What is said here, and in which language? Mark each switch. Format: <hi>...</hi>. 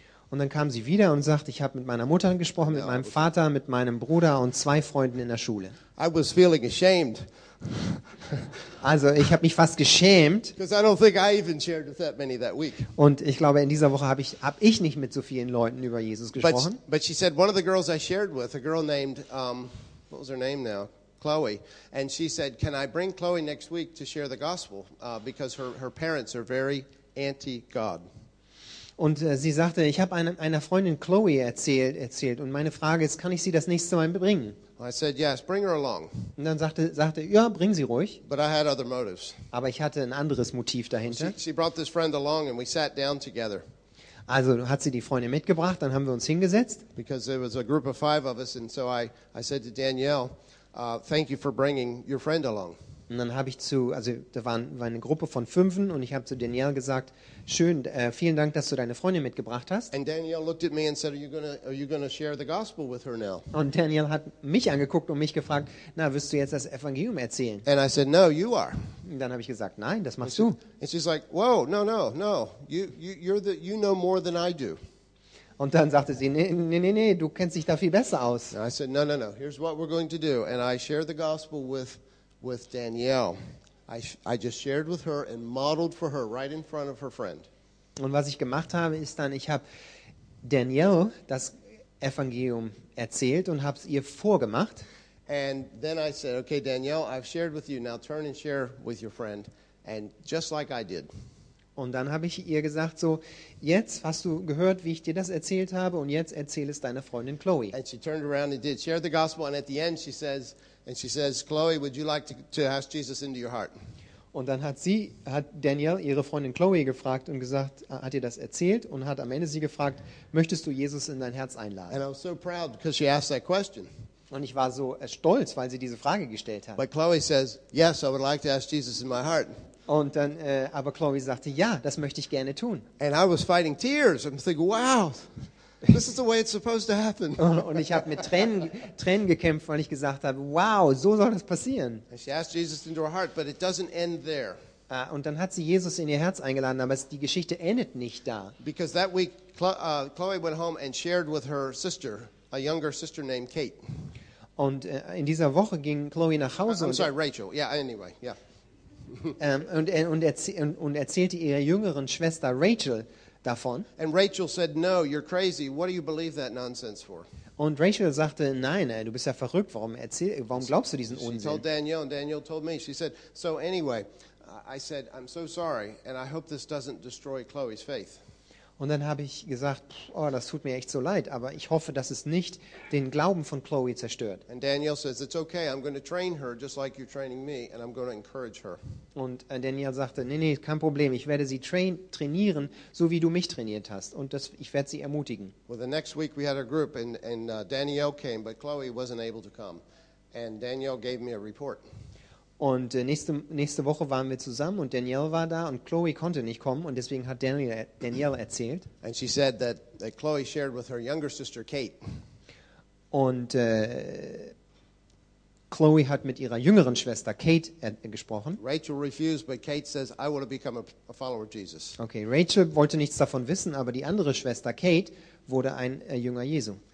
<de>Und dann kam sie wieder und sagte, ich habe mit meiner Mutter gesprochen, mit meinem Vater, mit meinem Bruder und 2 Freunden in der Schule.</de> <en>I was feeling ashamed.</en> <de>Also ich habe mich fast geschämt.</de> <en>I don't think I even shared with that many that week.</en> <de>Und ich glaube, in dieser Woche habe ich nicht mit so vielen Leuten über Jesus gesprochen.</de> <en>But she said, one of the girls I shared with, a girl named what was her name now? Chloe. And she said, can I bring Chloe next week to share the gospel? Because her parents are very anti-God.</en> <de>Und sie sagte, ich habe einer Freundin Chloe erzählt. Und meine Frage ist, kann ich sie das nächste Mal bringen?</de> <en>I said, yes, bring her along.</en> <de>Und dann sagte, ja, bring sie ruhig.</de> <en>But I had other motives.</en> <de>Aber ich hatte ein anderes Motiv dahinter.</de> <en>She brought this friend along and we sat down together.</en> <de>Also hat sie die Freundin mitgebracht, dann haben wir uns hingesetzt.</de> <en>Because there was a group of 5 of us, and so I said to Danielle, thank you for bringing your friend along.</en> <de>Und dann habe ich da war eine Gruppe von 5 und ich habe zu Danielle gesagt, schön, vielen Dank, dass du deine Freundin mitgebracht hast.</de> <en>And Danielle looked at me and said, are you gonna share the gospel with her now?</en> <de>Und Danielle hat mich angeguckt und mich gefragt, na, wirst du jetzt das Evangelium erzählen?</de> <en>And I said, no, you are.</en> <de>Und dann habe ich gesagt, nein, das machst du.</de> <en>And she's like, whoa, no, you know more than I do.</en> <de>Und dann sagte sie, nee, du kennst dich da viel besser aus.</de> <en>And I said, no, here's what we're going to do, and I share the gospel with Danielle. I just shared with her and modeled for her right in front of her friend.</en> <de>Und was ich gemacht habe, ist dann, ich habe Danielle das Evangelium erzählt und habe es ihr vorgemacht.</de> <en>And then I said, okay, Danielle, I've shared with you, now turn and share with your friend, and just like I did.</en> <de>Und dann habe ich ihr gesagt, so, jetzt hast du gehört, wie ich dir das erzählt habe, und jetzt erzähl es deiner Freundin Chloe.</de> <en>And she turned around and did share the gospel, and at the end she says, Chloe, would you like to ask Jesus into your heart?</en> <de>Und dann hat Danielle ihre Freundin Chloe gefragt und gesagt, hat ihr das erzählt und hat am Ende sie gefragt, möchtest du Jesus in dein Herz einladen?</de> <en>And I was so proud because she asked that question.</en> <de>Und ich war so stolz, weil sie diese Frage gestellt hat.</de> <en>But Chloe says, yes, I would like to ask Jesus in my heart.</en> <de>Und dann aber Chloe sagte, ja, das möchte ich gerne tun.</de> <en>And I was fighting tears. I'm thinking, wow. This is the way it's supposed to happen.</en> <de>Und ich habe mit Tränen gekämpft, weil ich gesagt habe, wow, so soll das passieren.</de> <en>And she asked Jesus into her heart, but it doesn't end there.</en> <de>Und dann hat sie Jesus in ihr Herz eingeladen, aber die Geschichte endet nicht da.</de> <en>Because that week, Chloe went home and shared with her sister, a younger sister named Kate.</en> <de>Und in dieser Woche ging Chloe nach Hause.</de> <en>I'm sorry, Rachel. Yeah, anyway, yeah.</en> <de>Und erzählte ihrer jüngeren Schwester Rachel davon.</de> <en>And Rachel said, "No, you're crazy. What do you believe that nonsense for?"</en> <de>Und Rachel sagte, nein, du bist ja verrückt. Warum glaubst du diesen Unsinn?</de> <en>She told Danielle, and Danielle told me. She said, "So anyway." I said, "I'm so sorry, and I hope this doesn't destroy Chloe's faith."</en> <de>Und dann habe ich gesagt, oh, das tut mir echt so leid, aber ich hoffe, dass es nicht den Glauben von Chloe zerstört.</de> <en>And Danielle says, "It's okay. I'm going to train her just like you're training me, and I'm going to encourage her."</en> <de>Und Danielle sagte, nee, kein Problem. Ich werde sie trainieren, so wie du mich trainiert hast, und das, ich werde sie ermutigen.</de> <en>Well, the next week we had a group, and Danielle came, but Chloe wasn't able to come, and Danielle gave me a report.</en> <de>Und nächste Woche waren wir zusammen und Danielle war da und Chloe konnte nicht kommen und deswegen hat Danielle erzählt.</de> <en>And she said that Chloe shared with her younger sister Kate.</en> <de>Und Chloe hat mit ihrer jüngeren Schwester Kate gesprochen.</de> <en>Rachel refused, but Kate says, "I want to become a follower of Jesus."</en> <de>Okay, Rachel wollte nichts davon wissen, aber die andere Schwester Kate wurde ein Jünger Jesu.</de>